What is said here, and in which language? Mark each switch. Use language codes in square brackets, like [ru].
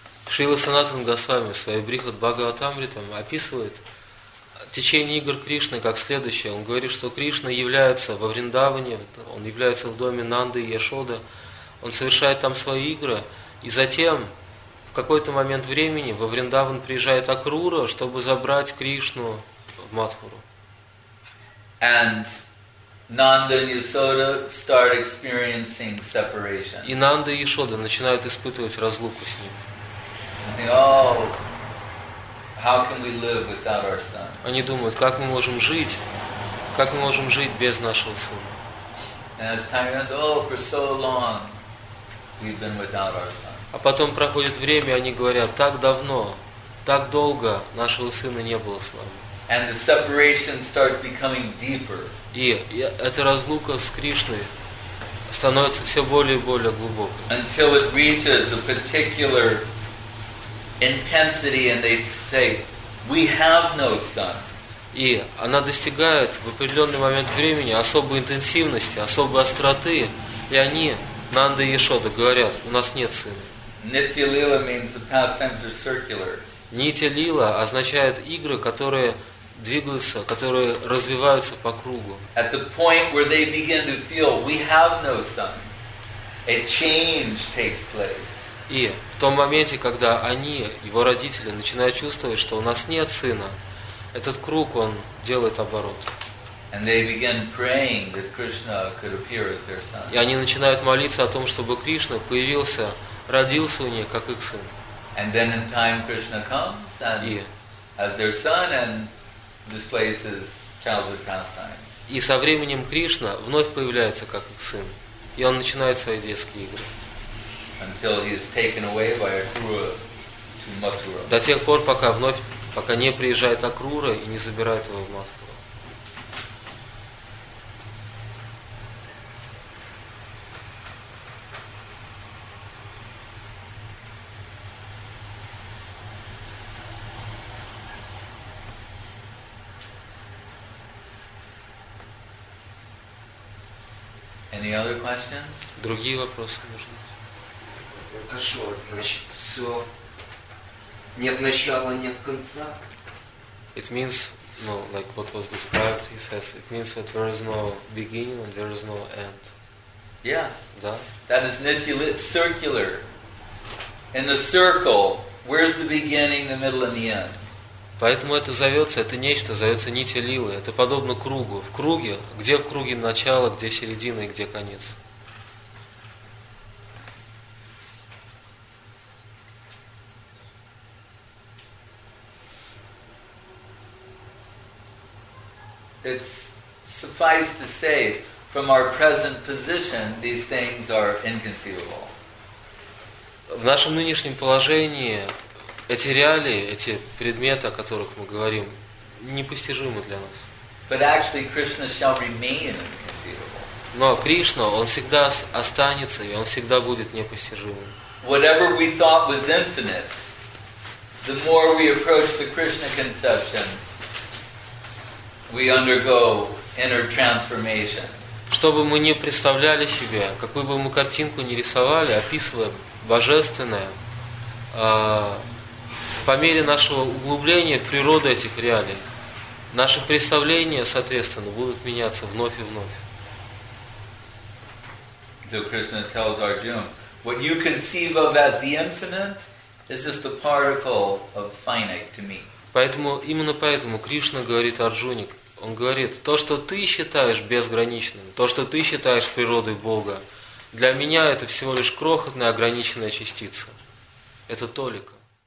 [ru] Шрила Санатана Госвами в своей Брихад Бхагаватамритам описывает течение игр Кришны как следующее. Он говорит, что Кришна является во Вриндаване, он является в доме Нанды и Яшоды, он совершает там свои игры, и затем в какой-то момент времени во Вриндаван приезжает Акрура, чтобы забрать Кришну в Матхуру. [en] And Nanda and Yasoda start experiencing separation. [ru] И Нанда и Яшода начинают испытывать разлуку с ним. [en] And think, oh, how can we live without our son? [ru] Они думают, как мы можем жить без нашего сына? [en] And as time goes, oh, for so long we've been without our son. [ru] А потом проходит время, они говорят, так давно, так долго нашего сына не было с нами. [en] And the separation starts becoming deeper. [ru] И эта разлука с Кришной становится все более и более глубокой. [en] Until it reaches a particular intensity, and they say, "We have no son." [ru] И она достигает в определенный момент времени особой интенсивности, особой остроты, и они, Нанда и Яшода, говорят: "У нас нет сына." [en] Nitya lila means the pastimes are circular. [ru] Нитя лила означает игры, которые двигаются, которые развиваются по кругу. [en] At the point where they begin to feel we have no son, a change takes place. [ru] И в том моменте, когда они, его родители, начинают чувствовать, что у нас нет сына, этот круг, он делает оборот. [en] And they begin praying that Krishna could appear as their son. [ru] И они начинают молиться о том, чтобы Кришна появился, родился у них, как их сын. [en] And then in time Krishna comes and as their son and displays his childhood pastimes. [ru] И со временем Кришна вновь появляется, как их сын. И он начинает свои детские игры. [en] Until he is taken away by Akrura to Mathura. [ru] До тех пор, пока не приезжает Акрура и не забирает его в Матхуру. [en] Any other questions? [ru] Другие вопросы можно? Это что значит? Все. Нет начала, нет конца. [en] It means, no, like what was described, he says, it means that there is no beginning and there is no end. Yes. [ru] Да? [en] That is circular. In the circle, where's the beginning, the middle, and the end? [ru] Поэтому это зовется, это нечто, зовется нить лилы. Это подобно кругу. В круге, где в круге начало, где середина и где конец. [en] It's suffice to say, from our present position, these things are inconceivable. [ru] В нашем нынешнем положении эти реалии, эти предметы, о которых мы говорим, непостижимы для нас. [en] But actually, Krishna shall remain inconceivable. [ru] Но Кришна, Он всегда останется, и Он всегда будет непостижимым. [en] Whatever we thought was infinite, the more we approach the Krishna conception, we undergo inner transformation. [ru] Что бы мы ни представляли себе, какую бы мы картинку ни рисовали, описывая божественное, по мере нашего углубления в природу этих реалий, наши представления, соответственно, будут меняться вновь и вновь. [en] So Krishna tells Arjuna, what you conceive of as the infinite is just a particle of finite to me. [ru] Поэтому, именно поэтому Кришна говорит Арджуне, он говорит, то, что ты считаешь безграничным, то, что ты считаешь природой Бога, для меня это всего лишь крохотная ограниченная частица. Это толика.